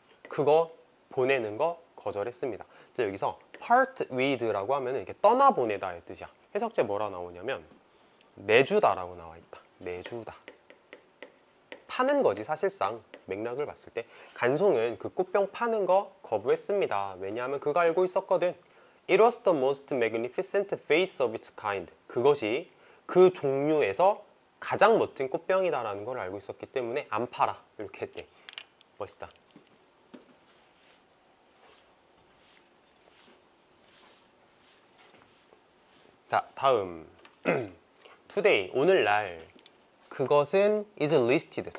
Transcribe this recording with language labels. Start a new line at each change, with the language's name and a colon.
Korean: 그거 보내는 거 거절했습니다. 자, 여기서 part with라고 하면 이렇게 떠나보내다의 뜻이야. 해석제 뭐라 나오냐면 내주다라고 나와있다. 내주다. 파는 거지 사실상. 맥락을 봤을 때 간송은 그 꽃병 파는 거 거부했습니다. 왜냐하면 그가 알고 있었거든.
English: It was the most magnificent vase of its kind.
Korean: 그것이 그 종류에서 가장 멋진 꽃병이다 라는 걸 알고 있었기 때문에 안 팔아 이렇게 했대. 멋있다. 자, 다음. Today, 오늘날 그것은 is listed.